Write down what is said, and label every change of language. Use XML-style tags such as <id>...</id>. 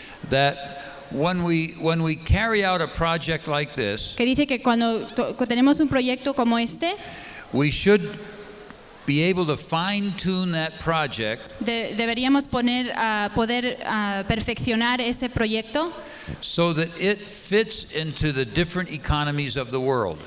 <en>That when we carry out a project like this.</en> <es>Que dice que cuando tenemos un proyecto como este.</es> <en>We should be able to fine-tune that project.</en> <es>Deberíamos poder perfeccionar ese proyecto.</es> <en>So that it fits into the different economies of the world.</en>